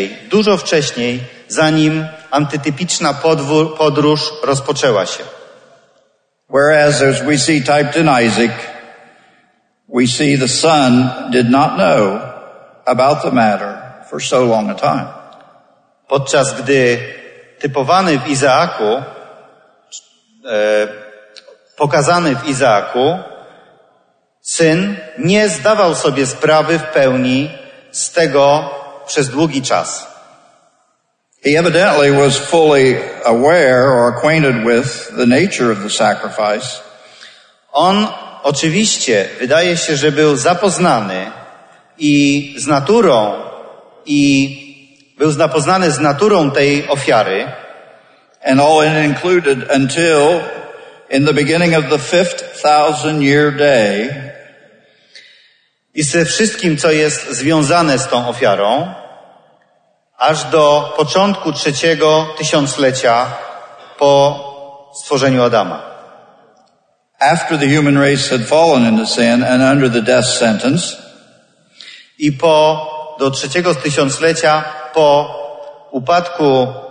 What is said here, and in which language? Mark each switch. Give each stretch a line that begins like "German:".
Polish: Dużo wcześniej, zanim antytypiczna podróż rozpoczęła się.
English: Whereas, as we see typed in Isaac, we see the son did not know about the matter for so long a time.
Polish: Podczas gdy typowany w Izaaku, pokazany w Izaaku, syn nie zdawał sobie sprawy w pełni z tego przez długi czas.
English: He evidently was fully aware or acquainted with the nature of the sacrifice.
Polish: On oczywiście wydaje się, że był zapoznany i z naturą i był zapoznany z naturą tej ofiary.
English: And all it included until in the beginning of the 5,000 year day.
Polish: I ze wszystkim, co jest związane z tą ofiarą, aż do początku trzeciego tysiąclecia po stworzeniu Adama.
English: After the human race had fallen into sin and under the death sentence.
Polish: I do trzeciego tysiąclecia po upadku